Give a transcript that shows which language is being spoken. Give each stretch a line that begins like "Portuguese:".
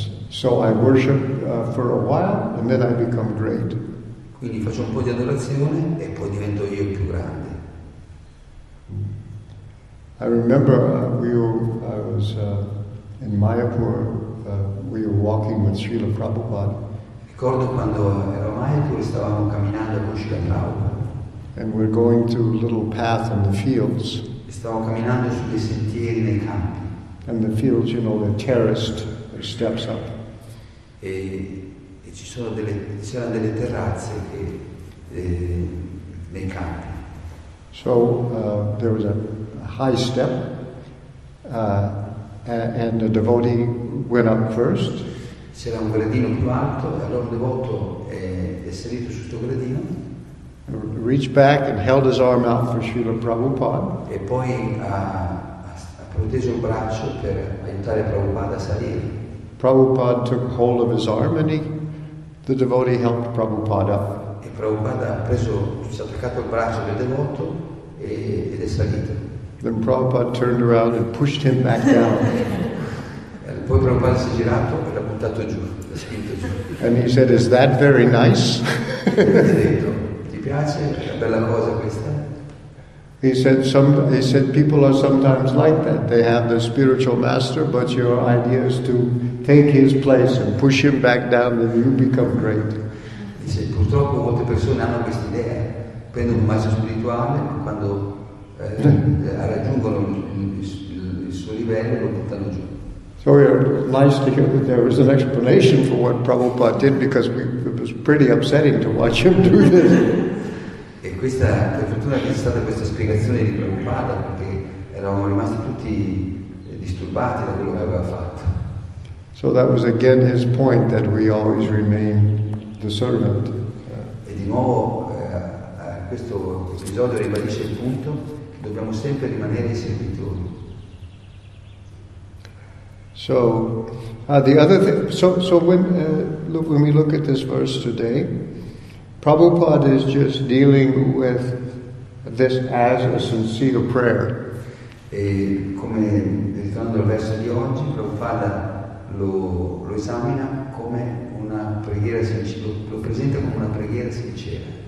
English: So I worship for a while and then I become great.
Italian: Quindi faccio un po' di adorazione e poi divento io il più grande.
English: I remember I was in Mayapur. We were walking with Srila Prabhupada.
Italian: Ricordo quando ero a Mayapur, stavamo camminando con Srila Prabhupada.
English: And we're going through a little path in the fields.
Italian: Stavamo camminando sui sentieri nei campi.
English: And the fields, you know, they're terraced, they're steps up.
Italian: E ci sono delle terrazze che nei campi.
English: So there was a high step. And the devotee went up first.
Italian: C'era un gradino più alto, e allora il devoto è salito su questo gradino.
English: Reached back and held his arm out for Srila Prabhupada.
Italian: E poi ha proteso il braccio per aiutare Prabhupada a salire.
English: Prabhupada took hold of his arm and the devotee helped Prabhupada up.
Italian: E Prabhupada si è attaccato il braccio del devoto ed è salito.
English: Then Prabhupada turned around and pushed him back down.
Italian: Poi Prabhupada si è girato e l'ha buttato giù, l'ha spinto giù.
English: And he said, "Is that very nice?"
Italian: Ti piace? È una bella cosa questa?
English: He said, "People are sometimes like that. They have the spiritual master, but your idea is to take his place and push him back down, and you become great."
Italian: Dice, purtroppo molte persone hanno questa idea. Prendono un maestro spirituale quando raggiungono il suo livello lo buttano giù.
English: So we're nice to hear that there was an explanation for what Prabhupada did, because it was pretty upsetting to watch him do this.
Italian: E questa, per fortuna, c'è stata questa spiegazione di Prabhupada, perché eravamo rimasti tutti disturbati da quello che aveva fatto.
English: So that was again his point, that we always remain the servant.
Italian: E di nuovo questo episodio ribadisce il punto. Dobbiamo sempre rimanere i servitori.
English: So the other thing, when we look at this verse today, Prabhupada is just dealing with this as a sincere prayer.
Italian: E come ritornando al verso di oggi, Prabhupada lo esamina come una preghiera sincera, lo presenta come una preghiera sincera.